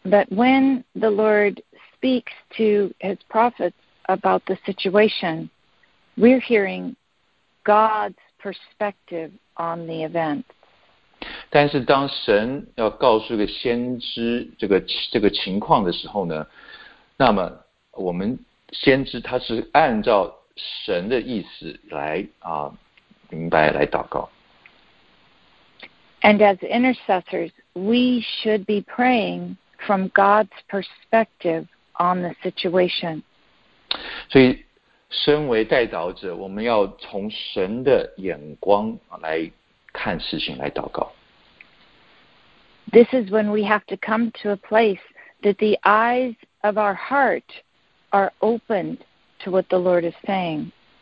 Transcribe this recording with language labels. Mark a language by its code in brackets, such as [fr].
[en] when the Lord speaks to His prophets about the situation, we're hearing God's perspective on the event. [zh] 但是当神要告诉个先知这个情况的时候呢，那么我们先知他是按照神的意思来明白来祷告。 [en] And as intercessors, we should be praying from God's perspective on the situation. [zh] 所以身为代祷者，我们要从神的眼光来看事情来祷告。 [en] This is when we have to come to a place that the eyes of our heart are opened to what the Lord is saying.